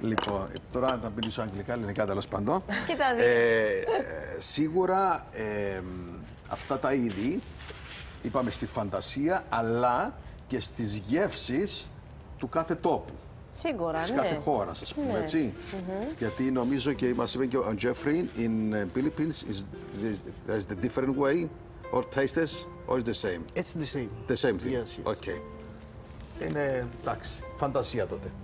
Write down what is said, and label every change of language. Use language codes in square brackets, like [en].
[el] Λοιπόν, τώρα να μιλήσω αγγλικά, ελληνικά, τέλος πάντων. Κοιτάξτε. Σίγουρα αυτά τα είδη είπαμε στη φαντασία, αλλά και στις γεύσεις του κάθε τόπου. Σίγουρα, της κάθε χώρα, ας πούμε, έτσι. Mm-hmm. Γιατί νομίζω και μας είπε και ο Jeffrey, [en] in Philippines, there is the different way, or tastes, or is the same? It's the same. The same thing. Yes. Okay. [el] Είναι, εντάξει, φαντασία τότε.